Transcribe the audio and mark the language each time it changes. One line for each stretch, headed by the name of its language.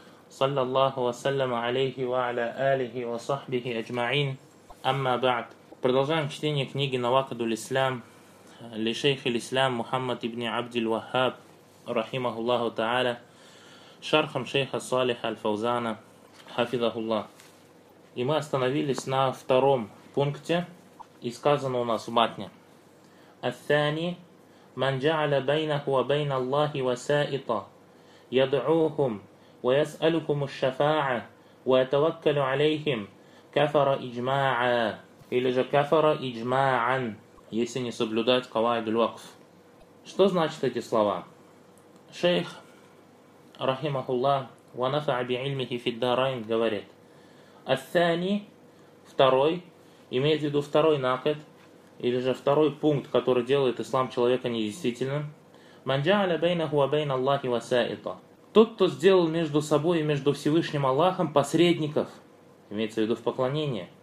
Arabic: صلى الله وسلم عليه وعلى آله وصحبه أجمعين أما بعد
Russian: продолжаем чтение книги
Arabic: نواقض الإسلام لشيخ الإسلام محمد بن عبد الوهاب رحمه الله تعالى شرح شيخ الصالح الفوزان حفظه الله.
Russian: И мы остановились на втором пункте, и сказано у нас в Матне.
Arabic: الثاني من جعل بينه وبين الله وسائط يدعوهم ويسألهم الشفاعة ويتوكل عليهم كفر إجماعا
Russian: или же
Arabic: كفر إجماعا,
Russian: если не соблюдать каваид аль-вакф. Что значат эти слова? Шейх,
Arabic: рахимахуллах, ва нафа'а би ильмихи фид дарайн,
Russian: говорит. Ас-сани, второй, имеет в виду второй накид, или же второй пункт, который делает ислам человека недействительным.
Arabic: Ман джа'аля байнаху ва байна Аллахи ва са'ита.
Russian: Тот, кто сделал между собой и между Всевышним Аллахом посредников, имеется в виду в поклонении.